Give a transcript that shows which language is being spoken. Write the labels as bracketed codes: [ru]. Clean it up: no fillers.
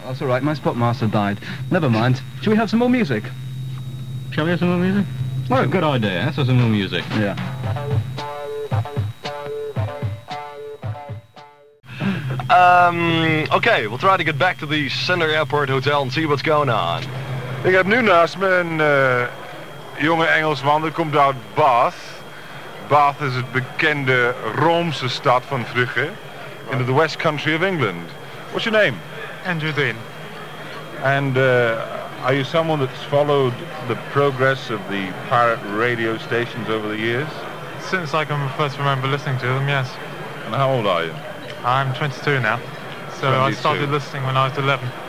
[en] That's all right. My spotmaster died. Never mind. Shall we have some more music? Shall we have some more music? Well, that's a good idea. That's some new music. Yeah. Okay, we'll try to get back to the Center Airport Hotel and see what's going on. [nl] Ik heb nu naast me een jonge Engelsman. Dat komt uit Bath. Bath is het bekende Roomse stad van vroeger. [en] Right. In the West Country of England. What's your name? Andrew Dean. And are you someone that's followed the progress of the pirate radio stations over the years? Since I can first remember listening to them, yes. And how old are you? I'm 22 now. So 22. I started listening when I was 11.